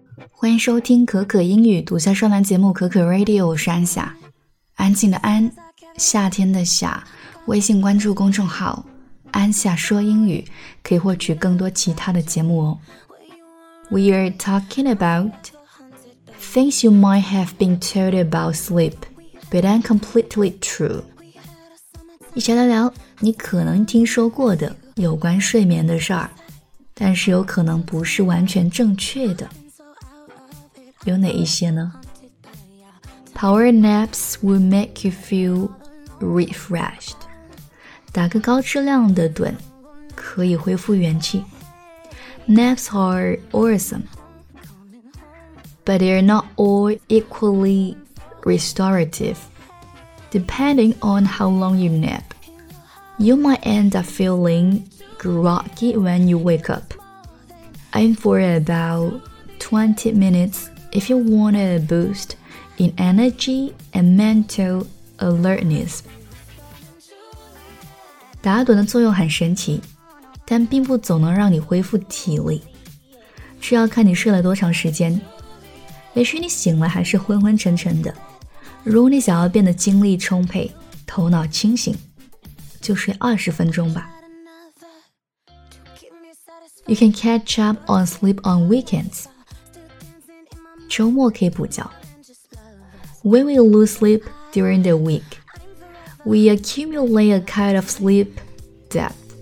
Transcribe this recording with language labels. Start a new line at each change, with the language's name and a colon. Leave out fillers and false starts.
Chinese: 欢迎收听可可英语独家专栏节目可可 Radio， 我是安夏，安静的安，夏天的夏。微信关注公众号安夏说英语，可以获取更多其他的节目哦。
English: We are talking about things you might have been told about sleep but aren't completely true。
Chinese: 一起来聊你可能听说过的有关睡眠的事儿，但是有可能不是完全正确的，有哪一些呢？
English: Power naps will make you feel refreshed，
Chinese: 打个高质量的盹可以恢复元气。
English: Naps are awesome but they are not all equally restorative. Depending on how long you nap, you might end up feeling groggy when you wake up. Aim for about 20 minutesIf you want a boost in energy and mental alertness.
Chinese: 打盹的作用很神奇，但并不总能让你恢复体力，这要看你睡了多长时间。也许你醒来还是昏昏沉沉的，如果你想要变得精力充沛，头脑清醒，就睡20分钟吧。
English: You can catch up on sleep on weekends.
Chinese: 周末可以补觉。
English: When we lose sleep during the week, we accumulate a kind of sleep debt.